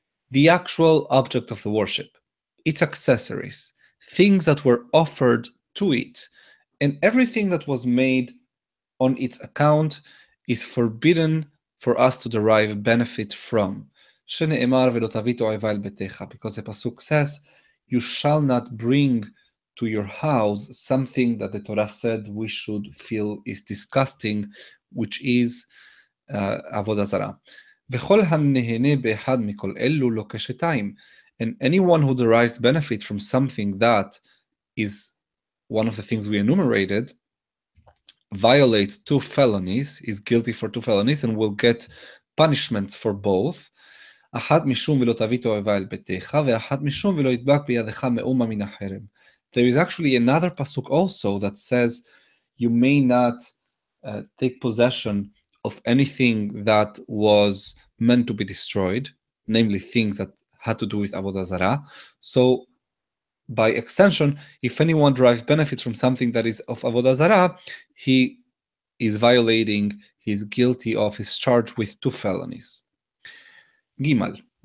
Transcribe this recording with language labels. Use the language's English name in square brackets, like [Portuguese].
[English] The actual object of the worship, its accessories, things that were offered to it, and everything that was made on its account is forbidden for us to derive benefit from. [Hebrew] Sh'ne'emar ve'lo tavit o'eva el betecha, [English] because the pasuk says, you shall not bring to your house something that the Torah said we should feel is disgusting, which is Avodah Zarah. [Hebrew] וכול הנהנה באחד מכול אלו לוקשתיים. [English] And anyone who derives benefit from something that is one of the things we enumerated violates two felonies, is guilty for two felonies, and will get punishments for both. [Hebrew] אחד משום ולא תביא תועבה אל ביתך, ואחד משום ולא ידבק בידך מאומה מן החרם. [English] There is actually another pasuk also that says you may not take possession of anything that was meant to be destroyed, namely things that had to do with Avodah Zarah. So by extension, if anyone derives benefit from something that is of Avodah Zarah, he is violating, he's guilty of his charge with two felonies. Gimal.